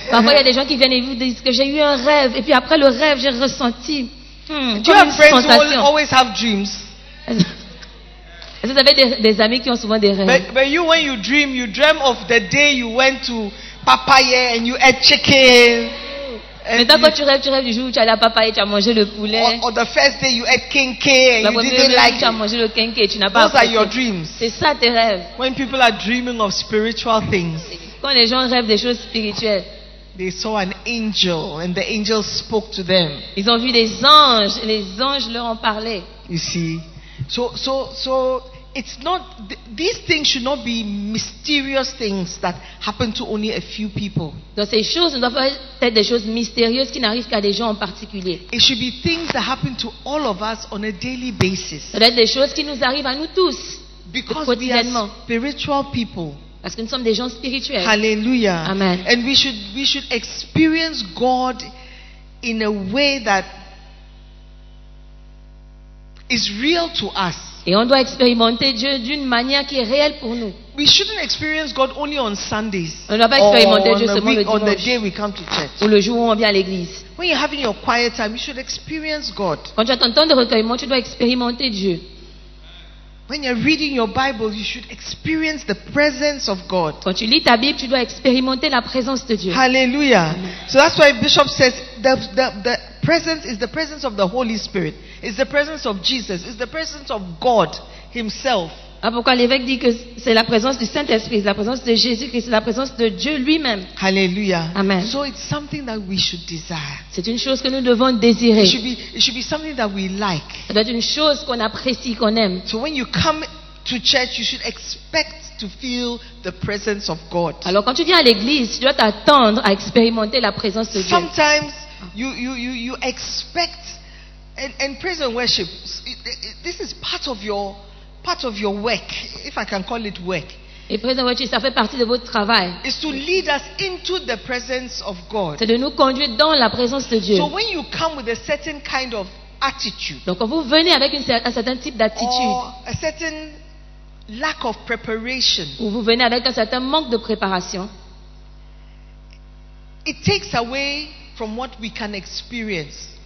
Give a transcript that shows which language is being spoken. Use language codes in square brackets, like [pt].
[fr] Parfois, il y a des gens qui viennent et vous disent que j'ai eu un rêve, et puis après le rêve, j'ai ressenti. [en] Do you have friends who always have dreams? [fr] Vous avez des amis qui ont souvent des rêves. [en] But you, when you dream of the day you went to papaya and you ate chicken. [fr] Maintenant, quand tu rêves du jour où tu allais à papaya et tu as mangé le poulet. [en] Or the first day you ate kinké and you didn't like it. [fr] Tu as mangé le kinké, tu n'as pas apprécié. [en] Those are your dreams. [fr] C'est ça tes rêves. [en] When people are dreaming of spiritual things. [fr] Quand les gens rêvent des choses spirituelles. [en] They saw an angel and the angel spoke to them. [fr] Ils ont vu des anges et les anges leur ont parlé. [en] You see. So it's not these things should not be mysterious things that happen to only a few people. [fr] Donc ces choses ne doivent pas être des choses mystérieuses qui n'arrivent qu'à des gens en particulier. [en] It should be things that happen to all of us on a daily basis. [fr] Ça doit être des choses qui nous arrivent à nous tous. [en] Because quotidiennement. We are spiritual people. [fr] Parce que nous sommes des gens spirituels. Hallelujah. Amen. [en] And we should experience God in a way that is real to us. [fr] Et on doit expérimenter Dieu d'une manière qui est réelle pour nous. [en] We shouldn't experience God only on Sundays. [fr] On ne doit pas expérimenter Dieu seulement le dimanche. [en] On the day we come to church. [fr] Ou le jour où on vient à l'église. [en] When you're having your quiet time, you should experience God. [fr] Quand tu as ton temps de recueillement, tu dois expérimenter Dieu. [en] When you're reading your Bible, you should experience the presence of God. [fr] Quand tu lis ta Bible, tu dois expérimenter la présence de Dieu. Hallelujah. [en] So that's why Bishop says the presence is the presence of the Holy Spirit. It's the presence of Jesus. It's the presence of God Himself. [fr] Ah, pourquoi l'évêque dit que c'est la présence du Saint-Esprit, c'est la présence de Jésus-Christ, c'est la présence de Dieu lui-même. Hallelujah. Amen. [en] So it's something that we should desire. [fr] C'est une chose que nous devons désirer. [en] It should be something that we like. [fr] Ça doit être une chose qu'on apprécie, qu'on aime. [en] So when you come to church, you should expect to feel the presence of God. [fr] Alors quand tu viens à l'église, tu dois t'attendre à expérimenter la présence de Dieu. [en] Sometimes you expect and praise and worship. This is part of your work, if I can call it work. [fr] Et présent worship, ça fait partie de votre travail. [en] Is to lead us into the presence of God. [fr] C'est de nous conduire dans la présence de Dieu. [en] So when you come with a certain kind of attitude. [fr] Donc quand vous venez avec un certain type d'attitude. [en] Or a certain lack of preparation. [fr] Ou vous venez avec un certain manque de préparation. [en] It takes away from what we can experience.